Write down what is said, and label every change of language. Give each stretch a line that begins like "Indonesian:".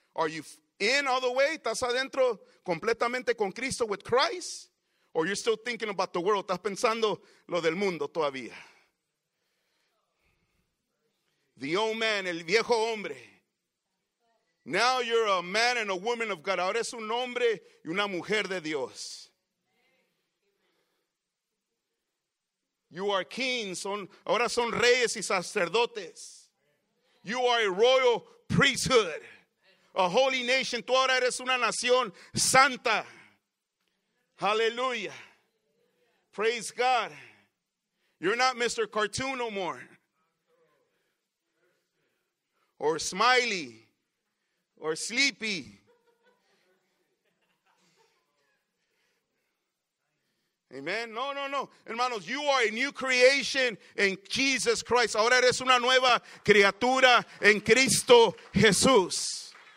English: Are you in all the way?
Spanish: ¿Estás adentro completamente con Cristo,
English: with Christ? Or you're still thinking about the world?
Spanish: ¿Estás pensando lo del mundo todavía?
English: The old man,
Spanish: el viejo hombre.
English: Now you're a man and a woman of God.
Spanish: Ahora es un hombre y una mujer de Dios.
English: You are kings,
Spanish: ahora son reyes y sacerdotes.
English: You are a royal priesthood, a holy nation.
Spanish: Tú ahora eres una nación santa.
English: Hallelujah. Praise God. You're not Mr. Cartoon no more. Or Smiley. Or Sleepy. Amen. No. Hermanos, you are a new creation in Jesus Christ.
Spanish: Ahora eres una nueva criatura en Cristo Jesús.